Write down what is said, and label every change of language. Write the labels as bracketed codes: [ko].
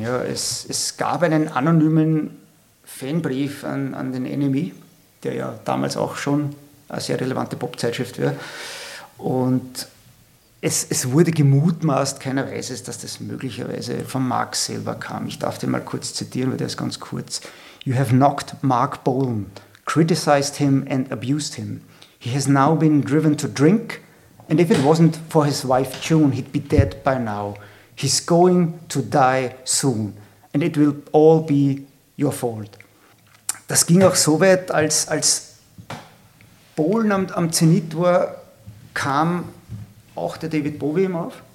[de] Ja, es gab einen anonymen Fanbrief an den NME, der ja damals auch schon eine sehr relevante Pop-Zeitschrift wäre. Und es wurde gemutmaßt, keiner weiß es, dass das möglicherweise von Mark selber kam. Ich darf den mal kurz zitieren, weil der ist ganz kurz. [en] You have knocked Mark Bohlen, criticized him and abused him. He has now been driven to drink, and if it wasn't for his wife June, he'd be dead by now. He's going to die soon, and it will all be your fault. [de] Das ging auch so weit, als Bohlen am Zenit war, kam auch der David Bowie ihm auf.